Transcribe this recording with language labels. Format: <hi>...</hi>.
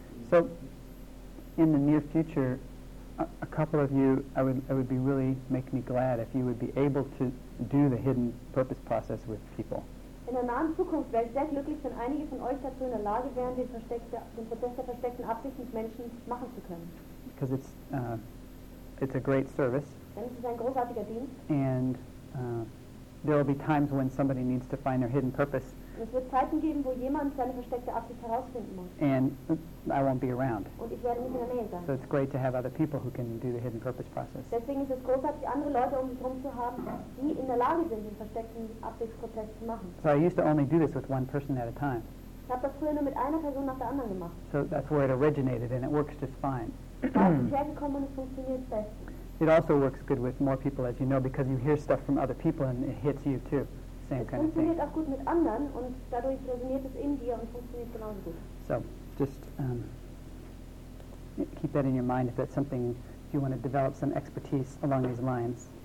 <en>So, in the near future, a couple of you, I would be really make me glad if you would be able to do the hidden purpose process with people.</en> <de>In der nahen Zukunft wäre ich sehr glücklich, wenn einige von euch dazu in der Lage wären, den Prozess der versteckten Absicht mit Menschen machen zu können.</de> <en>Because it's a great service.</en> <de>Denn es ist ein großartiger Dienst.</de> <en>And there will be times when somebody needs to find their hidden purpose.</en> <de>Und es wird Zeiten geben, wo jemand seine versteckte Absicht herausfinden muss.</de> <en>And I won't be around.</en> <de>Und ich werde nicht in der Nähe sein.</de> <en>So it's great to have other people who can do the hidden purpose process.</en> <de>Deswegen ist es großartig, andere Leute um sich herum zu haben, die in der Lage sind, den versteckten Absichtsprozess zu machen.</de> <en>So I used to only do this with one person at a time.</en> <de>Ich habe das früher nur mit einer Person nach der anderen gemacht.</de> <en>So that's where it originated and it works just fine.</en> <de>Ich bin hergekommen und es funktioniert bestens.</de> <en>It also works good with more people, as you know, because you hear stuff from other people and it hits you too. Same kind of thing.</en> <de>Funktioniert auch gut mit anderen und dadurch resoniert es in dir und funktioniert genauso gut.</de> <en>So, just keep that in your mind if that's something you want to develop some expertise along these lines.</en>